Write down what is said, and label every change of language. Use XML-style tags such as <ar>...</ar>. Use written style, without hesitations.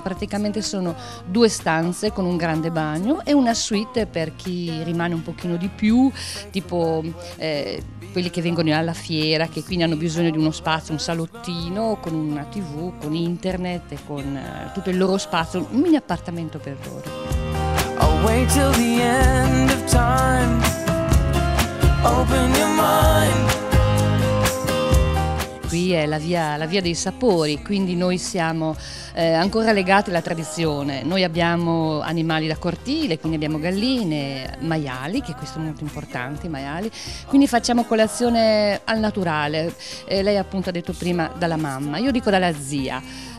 <it>Praticamente sono due stanze con un grande bagno e una suite per chi rimane un pochino di più, tipo quelli che vengono alla fiera, che quindi hanno bisogno di uno spazio, un salottino con una TV, con internet e con tutto il loro spazio, un mini appartamento per loro.</it> <en>I'll wait till the end of time. Open your mind.</en> <it>Qui è la via dei sapori, quindi noi siamo ancora legati alla tradizione. Noi abbiamo animali da cortile, quindi abbiamo galline, maiali, che questo è molto importante, i maiali. Quindi facciamo colazione al naturale. Lei appunto ha detto prima dalla mamma, io dico dalla zia.</it>